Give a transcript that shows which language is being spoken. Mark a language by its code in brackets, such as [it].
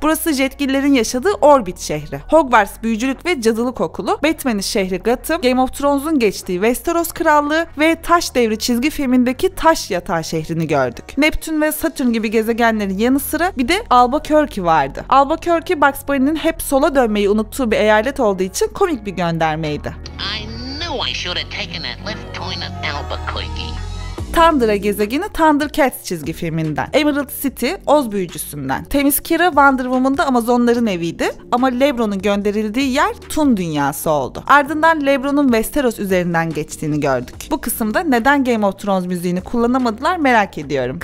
[tr] Burası Jetgillerin yaşadığı Orbit şehri. Hogwarts büyücülük ve cadılık okulu, Batman'in şehri Gotham, Game of Thrones geçtiği Westeros Krallığı ve Taş Devri çizgi filmindeki Taş Yatağı şehrini gördük. Neptün ve Satürn gibi gezegenlerin yanı sıra bir de Albuquerque vardı. Albuquerque, Bugs Bunny'nin hep sola dönmeyi unuttuğu bir eyalet olduğu için komik bir göndermeydi. [en] I knew I should have taken that left turn at Albuquerque. [tr] Thundra gezegeni Thundercats çizgi filminden, Emerald City Oz büyücüsünden, Themyscira Wonder Woman'da Amazonların eviydi ama LeBron'un gönderildiği yer Toon dünyası oldu. Ardından LeBron'un Westeros üzerinden geçtiğini gördük. Bu kısımda neden Game of Thrones müziğini kullanamadılar merak ediyorum.